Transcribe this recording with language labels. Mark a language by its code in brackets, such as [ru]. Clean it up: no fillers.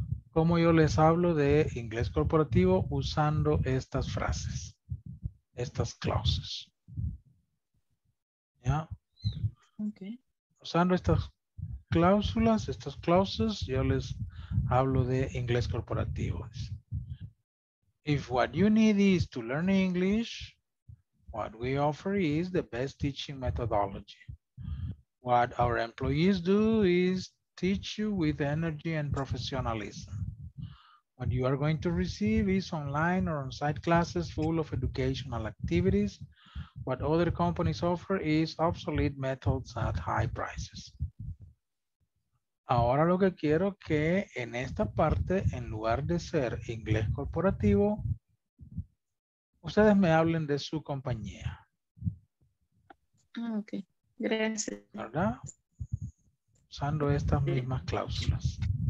[es] Como yo les hablo de inglés corporativo usando estas frases, estas clauses. ¿Ya? Okay. Usando estas cláusulas, estas clauses, yo les hablo de inglés corporativo. [en] If what you need is to learn English, what we offer is the best teaching methodology. What our employees do is teach you with energy and professionalism. What you are going to receive is online or on-site classes full of educational activities. What other companies offer is obsolete methods at high prices. [es] Ahora lo que quiero que en esta parte, en lugar de ser inglés corporativo, ustedes me hablen de su compañía. Ok, gracias. ¿Verdad? Usando estas mismas cláusulas.